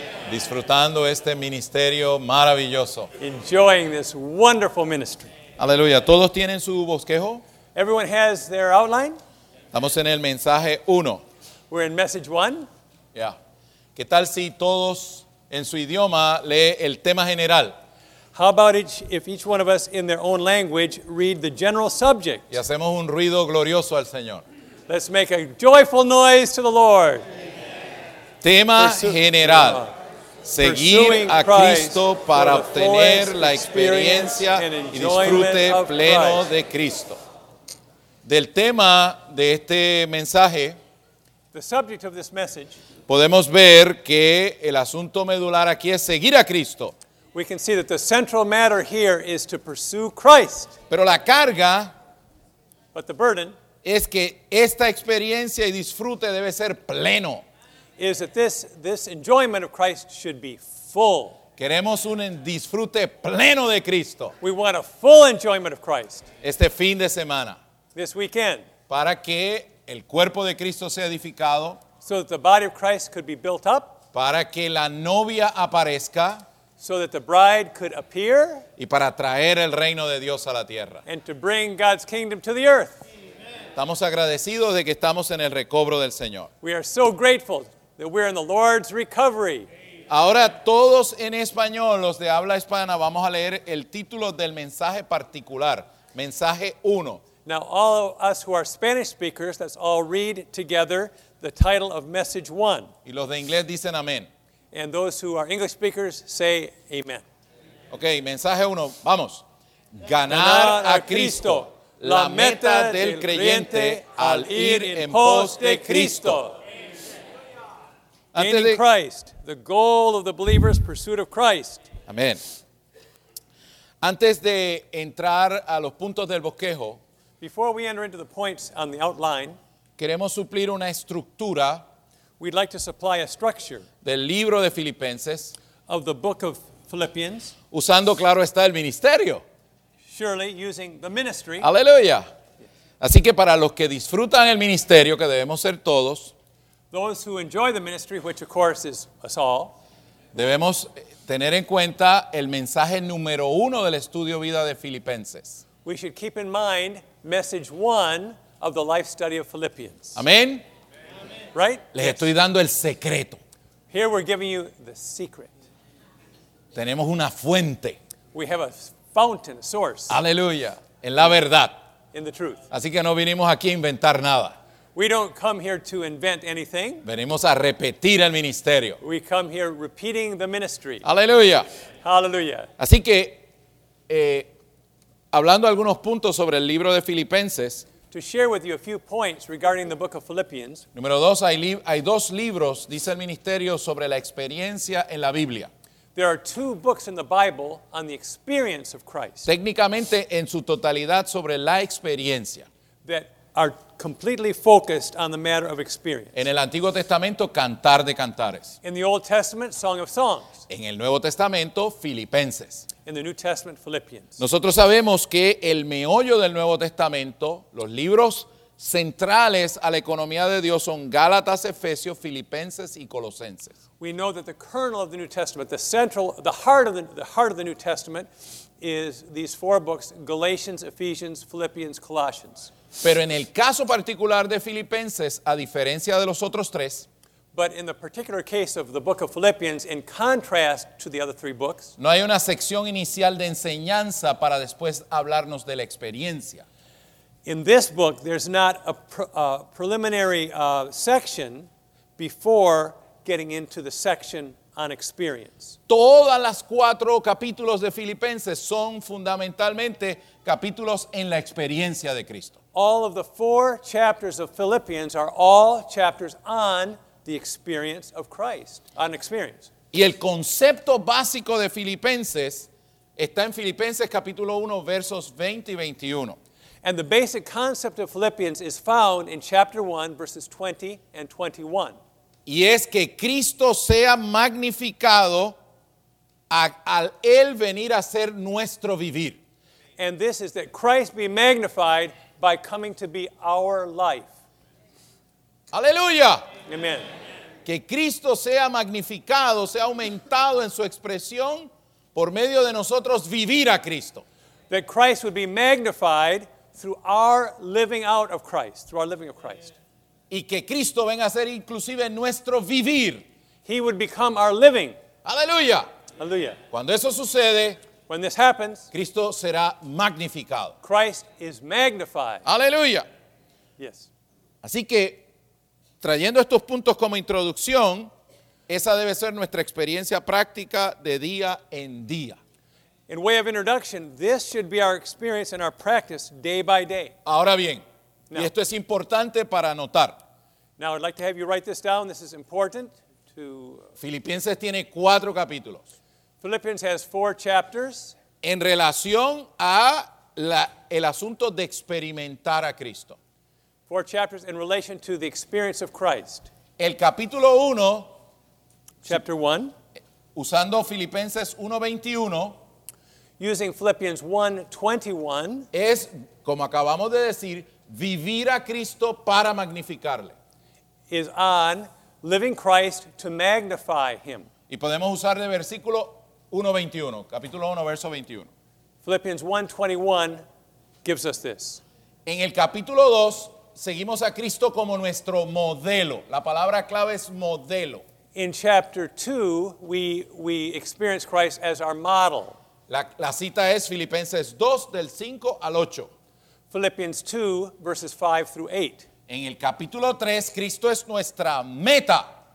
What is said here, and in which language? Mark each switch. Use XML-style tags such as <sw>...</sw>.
<es>Disfrutando este ministerio maravilloso.</es> <en>Enjoying this wonderful ministry.</en> <es>Aleluya. ¿Todos tienen su bosquejo?</es> <en>Everyone has their outline.</en> <es>Estamos en el mensaje 1.</es> <en>We're in message 1. Yeah.</en> <es>¿Qué tal si todos en su idioma lee el tema general?</es> <en>How about if each one of us in their own language read the general subject?</en> <es>Y hacemos un ruido glorioso al Señor.</es> <en>Let's make a joyful noise to the Lord.</en> <es>Tema general. Seguir a Cristo para obtener la experiencia y disfrute pleno de Cristo. Del tema de este mensaje,</es> <en>the subject of this message,</en> <es>podemos ver que el asunto medular aquí es seguir a Cristo.</es> <en>We can see that the central matter here is to pursue Christ.</en> <es>Pero la carga,</es> <en>but the burden,</en> <es>es que esta experiencia y disfrute debe ser pleno.</es> <en>Is that this enjoyment of Christ should be full.</en> <es>Queremos un disfrute pleno de Cristo.</es> <en>We want a full enjoyment of Christ.</en> <es>Este fin de semana.</es> <en>This weekend.</en> <es>Para que el cuerpo de Cristo sea edificado.</es> <en>So that the body of Christ could be built up.</en> <es>Para que la novia aparezca.</es> <en>So that the bride could appear.</en> <es>Y para traer el reino de Dios a la tierra.</es> <en>And to bring God's kingdom to the earth.</en> <es>Estamos agradecidos de que estamos en el recobro del Señor.</es> <en>We are so grateful that we're in the Lord's recovery.</en> <es>Ahora todos en español, los de habla hispana, vamos a leer el título del mensaje particular. Mensaje 1.</es> <en>Now all of us who are Spanish speakers, let's all read together the title of message 1.</en> <es>Y los de inglés dicen amén.</es> <en>And those who are English speakers say amen.</en> <es>Okay, mensaje 1, vamos. Ganar a Cristo. La meta del creyente al ir en pos de Cristo.</es> <en>Gaining Christ, the goal of the believer's pursuit of Christ.</en> <es>Amén. Antes de entrar a los puntos del bosquejo,</es> <en>before we enter into the points on the outline,</en> <es>queremos suplir una estructura,</es> <en>we'd like to supply a structure,</en> <es>del libro de Filipenses,</es> <en>of the book of Philippians,</en> <es>usando, claro está, el ministerio.</es> <en>Surely using the ministry.</en> <es>Aleluya. Así que para los que disfrutan el ministerio, que debemos ser todos,</es> <en>those who enjoy the ministry, which of course is us all,</en> <es>debemos tener en cuenta el mensaje número 1 del estudio vida de Filipenses.</es> <en>We should keep in mind message 1 of the life study of Philippians.</en> <es>Amén.</es> <en>Right?</en> <es>Les</es> <en>yes.</en> <es>Estoy dando el secreto.</es> <en>Here we're giving you the secret.</en> <es>Tenemos una fuente.</es> <en>We have a fountain, source.</en> <es>Aleluya. En la verdad.</es> <en>In the truth.</en> <es>Así que no vinimos aquí a inventar nada.</es> <en>We don't come here to invent anything.</en> <es>Venimos a repetir el ministerio.</es> <en>We come here repeating the ministry.</en> <es>Aleluya.</es> <en>Hallelujah.</en> <es>Así que, hablando algunos puntos sobre el libro de Filipenses.</es> <en>To share with you a few points regarding the book of Philippians.</en> <es>Número dos, hay dos libros, dice el ministerio, sobre la experiencia en la Biblia.</es> <en>There are two books in the Bible on the experience of Christ.</en> <es>Técnicamente, en su totalidad, sobre la experiencia.</es> <en>That are completely focused on the matter of experience.</en> <es>En el Antiguo Testamento, Cantar de Cantares.</es> <en>In the Old Testament, Song of Songs.</en> <es>En el Nuevo Testamento, Filipenses.</es> <en>In the New Testament, Philippians.</en> <es>Nosotros sabemos que el meollo del Nuevo Testamento, los libros centrales a la economía de Dios son Gálatas, Efesios, Filipenses y Colosenses.</es> <en>We know that the kernel of the New Testament, the central, the heart of the New Testament is these four books, Galatians, Ephesians, Philippians, Colossians.</en> <es>Pero en el caso particular de Filipenses, a diferencia de los otros tres,</es> <en>but in the particular case of the book of Philippians, in contrast to the other three books,</en> <es>no hay una sección inicial de enseñanza para después hablarnos de la experiencia.</es> <en>In this book, there's not a preliminary section before getting into the section on experience.</en> <es>Todas las cuatro capítulos de Filipenses son fundamentalmente capítulos en la experiencia de Cristo.</es> <en>All of the four chapters of Philippians are all chapters on the experience of Christ, on experience.</en> <es>Y el concepto básico de Filipenses está en Filipenses capítulo 1, versos 20 y 21.</es> <en>And the basic concept of Philippians is found in chapter 1, verses 20 and 21.</en> <es>Y es que Cristo sea magnificado al Él venir a ser nuestro vivir.</es> <en>And this is that Christ be magnified by coming to be our life.</en> <es>¡Aleluya!</es> <en>Amen.</en> <es>Que Cristo sea magnificado, sea aumentado en su expresión por medio de nosotros vivir a Cristo.</es> <en>That Christ would be magnified through our living out of Christ, through our living of Christ.</en> <es>Y que Cristo venga a ser inclusive nuestro vivir.</es> <en>He would become our living.</en> <es>¡Aleluya! ¡Aleluya! Cuando eso sucede,</es> <en>when this happens,</en> <es>Cristo será magnificado.</es> <en>Christ is magnified.</en> <es>¡Aleluya!</es> <en>Yes.</en> <es>Así que, trayendo estos puntos como introducción, esa debe ser nuestra experiencia práctica de día en día.</es> <en>In way of introduction, this should be our experience and our practice day by day.</en> <es>Ahora bien,</es> <en>now,</en> <es>y esto es importante para anotar.</es> <en>Now, I'd like to have you write this down. This is important to...</en> <es>Filipenses tiene cuatro capítulos.</es> <en>Philippians has four chapters.</en> <es>En relación a el asunto de experimentar a Cristo.</es> <en>Four chapters in relation to the experience of Christ.</en> <es>El capítulo 1,</es> <en>chapter 1,</en> <es>usando Filipenses 1:21,</es> <en>using Philippians 1:21,</en> <es>es, como acabamos de decir, vivir a Cristo para magnificarle.</es> <en>Is on living Christ to magnify him.</en> <es>Y podemos usar de versículo 1:21, capítulo 1, verso 21.</es> <en>Philippians 1:21 gives us this.</en> <es>En el capítulo 2, seguimos a Cristo como nuestro modelo. La palabra clave es modelo.</es> <en>In chapter 2, we experience Christ as our model.</en> <es>La cita es Filipenses 2, del 5 al 8.</es> <en>Philippians 2, verses 5 through 8.</en> <es>En el capítulo 3, Cristo es nuestra meta.</es>